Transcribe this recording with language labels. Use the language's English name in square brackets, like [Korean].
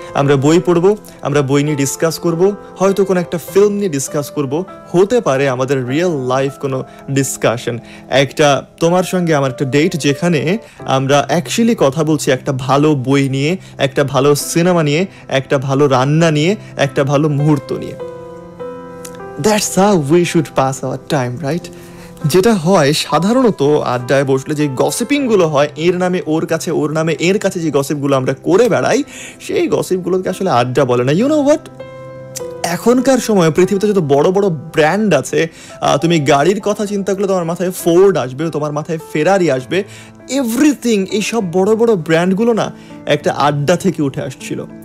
[Bangla] আমরা বই পড়ব, আমরা বই নিয়ে ডিসকাস করব, হয়তো কোনো একটা ফিল্ম নিয়ে ডিসকাস করব, হতে পারে আমাদের রিয়েল লাইফ কোনো ডিসকাশন, একটা তোমার সঙ্গে আমার একটা ডেট যেখানে আমরা অ্যাকচুয়ালি কথা বলছি একটা ভালো বই নিয়ে, একটা ভালো সিনেমা নিয়ে, একটা ভালো রান্না নিয়ে, একটা ভালো মুহূর্ত নিয়ে। [English] That's how we should pass our time, right? [Bangla] যেটা হয় সাধারণত আড্ডায় বসলে যে গসিপিংগুলো হয়, এর নামে ওর কাছে, ওর নামে এর কাছে যে গসিপগুলো আমরা করে বেড়াই, সেই গসিপগুলোকে আসলে আড্ডা বলে না। ইউ নো হোয়াট, এখনকার সময় পৃথিবীতে যত বড় বড় ব্র্যান্ড আছে, তুমি গাড়ির কথা চিন্তা করলে তোমার মাথায় ফোর্ড আসবে, তোমার মাথায় ফেরারি আসবে, এভরিথিং, এইসব বড় বড় ব্র্যান্ডগুলো না একটা আড্ডা থেকে উঠে আসছিল।